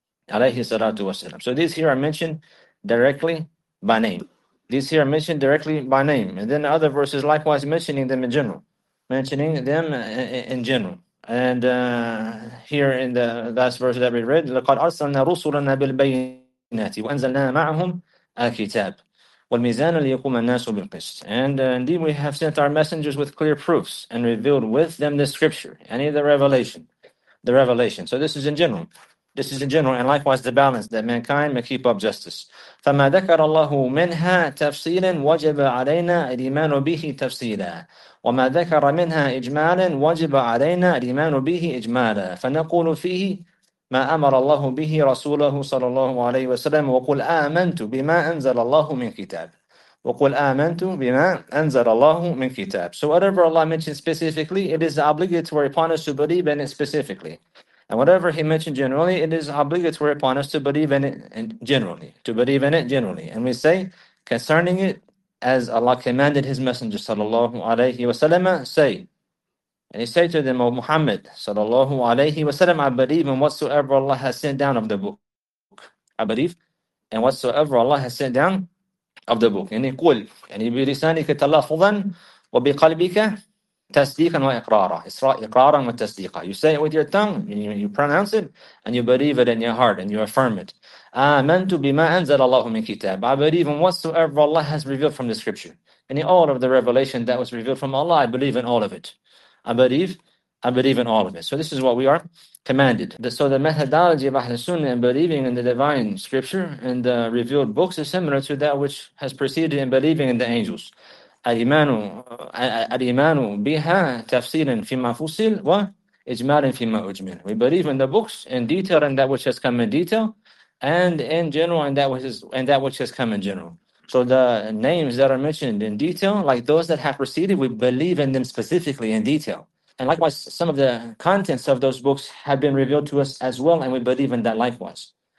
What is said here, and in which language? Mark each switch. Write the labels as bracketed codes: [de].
[en] Alayhi salatu wasalam. So these here are mentioned directly by name. These here are mentioned directly by name. And then the other verses likewise mentioning them in general. Mentioning them in general. And here in the last verse that we read, [ar] لَقَدْ أَرْسَلْنَا رُسُلَنَا بِالْبَيِّنَاتِ وَأَنزَلْنَا مَعَهُمْ الْكِتَابِ. والميزان ليقوم الناس بالقسط. [en] And indeed we have sent our messengers with clear proofs and revealed with them the scripture, yani the revelation. So this is in general. This is in general, and likewise the balance that mankind may keep up justice. [ar] فما ذكر الله منها تفصيلا وجب علينا الإيمان به تفصيلا وما ذكر منها إجمالا وجب علينا الإيمان به إجمالا فنقول فيه ما أمر الله به رسوله صلى الله عليه وسلم وقل آمنت بما أنزل الله من كتاب وقل آمنت بما أنزل الله من كتاب. [en] So whatever Allah mentions specifically, it is obligatory upon us to believe in it specifically. And whatever he mentioned generally, it is obligatory upon us to believe in it generally. To believe in it generally. And we say, concerning it, as Allah commanded his messenger, sallallahu alayhi wa sallam, say. And he said to them, O Muhammad, sallallahu alayhi wa sallam, I believe in whatsoever Allah has sent down of the book. I believe in whatsoever Allah has sent down of the book. And he [ar] قُلْ يعني بِلِسَانِكَ تَلَّفُظًا وَبِقَلْبِكَ تَسْدِيقًا وَإِقْرَارًا إِسْرَاء إِقْرَارًا وَتَسْدِيقًا. [en] You say it with your tongue, and you pronounce it, and you believe it in your heart, and you affirm it. [ar] آمَنْتُ بِمَا أَنزَلَ اللَّهُ مِنْ كِتَابٍ. [en] I believe in whatsoever Allah has revealed from the scripture. And all of the revelation that was revealed from Allah, I believe in all of it. I believe in all of it. So this is what we are commanded. So the methodology of Ahlul Sunnah in believing in the divine scripture and the revealed books is similar to that which has preceded in believing in the angels. [ar] الإيمان بها تفصيلا فيما فصل وإجمالا فيما أجمل. [en] We believe in the books in detail and that which has come in detail, and in general and that which has come in general. So the names that are mentioned in detail, like those that have preceded, we believe in them specifically in detail. And likewise, some of the contents of those books have been revealed to us as well, and we believe in that likewise.